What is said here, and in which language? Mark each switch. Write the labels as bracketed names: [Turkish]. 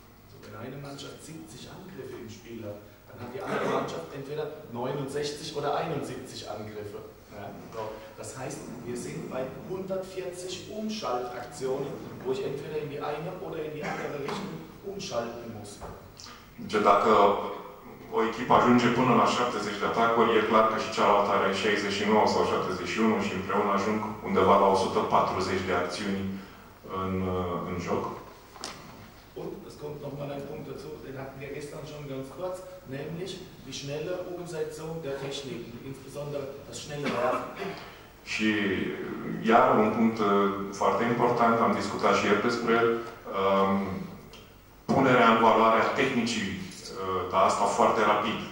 [German] So, wenn eine Mannschaft 70 Angriffe im Spiel hat, dann hat die andere Mannschaft entweder 69 oder 71 Angriffe. Ja, das heißt, wir sind bei 140 Umschaltaktionen, wo ich entweder in die eine oder in die andere Richtung umschalten muss. [Romanian] Deci dacă o echipă ajunge până la 70 de atacuri, e clar că și cealaltă are 69 sau 71 și împreună ajung undeva la 140 de acțiuni în joc. [German] Und es kommt noch mal ein Punkt dazu, den hatten wir gestern schon ganz kurz, nämlich die schnelle Umsetzung der Techniken, insbesondere das schnelle Werfen. [Romanian] Și iar un punct foarte important, am discutat și ieri despre el, punerea în valoare a tehnicii, dar asta foarte rapid.